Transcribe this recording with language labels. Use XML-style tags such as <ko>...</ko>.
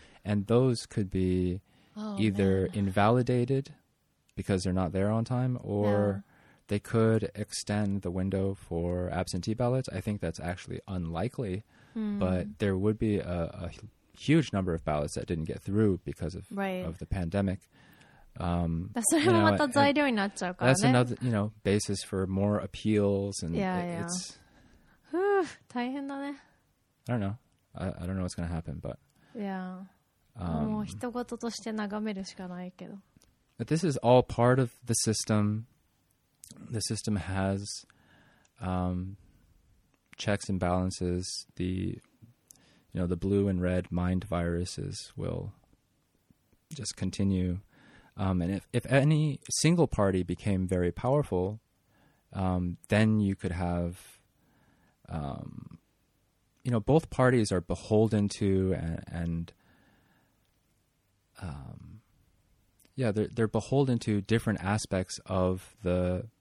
<en>And those could be either invalidated because they're not there on time or... They could extend the window for absentee ballots. I think that's actually unlikely,、but there would be a huge number of ballots that didn't get through because of,、 right. of the pandemic.</en> <ja>それもまた材料になっちゃうからね。</ja> <en>That's another, you know, basis for more appeals. And yeah, it, yeah. It's,</en> <ja>大変だね。</ja> <en>I don't know. I don't know what's going to happen, but... Yeah.</en> <ja>もう一言として眺めるしかないけど。</ja> <en>But this is all part of the system... The system has checks and balances. The, you know, the blue and red mind viruses will just continue. And if any single party became very powerful, then you could have, you know, both parties are beholden to they're beholden to different aspects of the...</en>